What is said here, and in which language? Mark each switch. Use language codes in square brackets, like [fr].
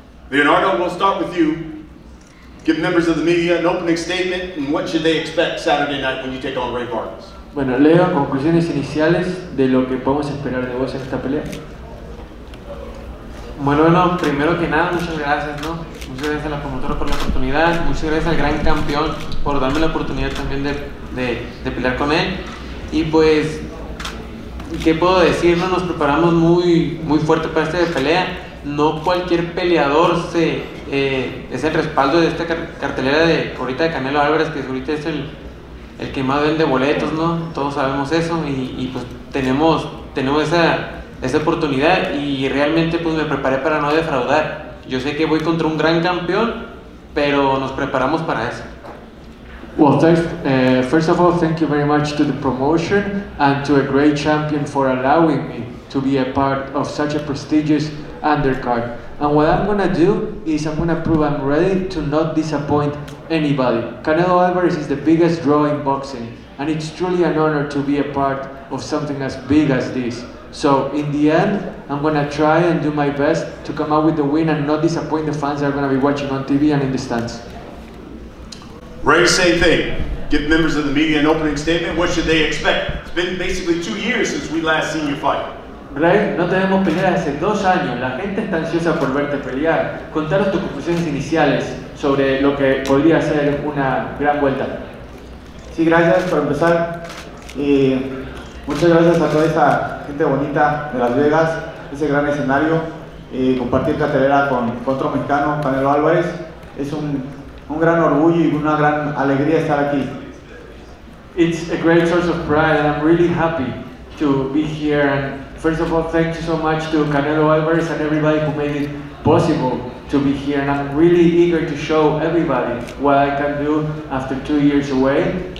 [en] Leonardo, we'll start with you. Give members of the media an opening statement, and what should they expect Saturday night when you take on Ray Vargas? [es] Bueno, Leo, conclusiones iniciales de lo que podemos esperar de vos en esta pelea. Bueno, no, primero que nada, muchas gracias, ¿no? Muchas gracias a la promotora por la oportunidad, muchas gracias al gran campeón por darme la oportunidad también de pelear con él. Y pues, ¿qué puedo decir? No, nos preparamos muy, muy fuerte para esta pelea. No cualquier peleador se es el respaldo de esta cartelera de ahorita de Canelo Álvarez, que ahorita es el que más vende boletos, ¿no? Todos sabemos eso y pues tenemos esa oportunidad y realmente pues me preparé para no defraudar. Yo sé que voy contra un gran campeón, pero nos preparamos para eso. [en] Well, first of all, thank you very much to the promotion and to a great champion for allowing me to be a part of such a prestigious undercard. And what I'm going to do is I'm going to prove I'm ready to not disappoint anybody. Canelo Alvarez is the biggest draw in boxing, and it's truly an honor to be a part of something as big as this. So in the end, I'm going to try and do my best to come out with the win and not disappoint the fans that are going to be watching on TV and in the stands. Ray, same thing. Give members of the media an opening statement. What should they expect? It's been basically 2 years since we last seen you fight. [es] Ray, no te vemos pelear hace 2 años. La gente está ansiosa por verte pelear. Contanos tus conclusiones iniciales sobre lo que podría ser una gran vuelta. Sí, gracias por empezar. Y muchas gracias a toda esta gente bonita de Las Vegas, ese gran escenario. Y compartir cartelera con otro mexicano, Canelo Álvarez, es un gran orgullo y una gran alegría estar aquí. [en] It's a great source of pride and I'm really happy to be here. And first of all, thank you so much to Canelo Alvarez and everybody who made it possible to be here. And I'm really eager to show everybody what I can do after 2 years away.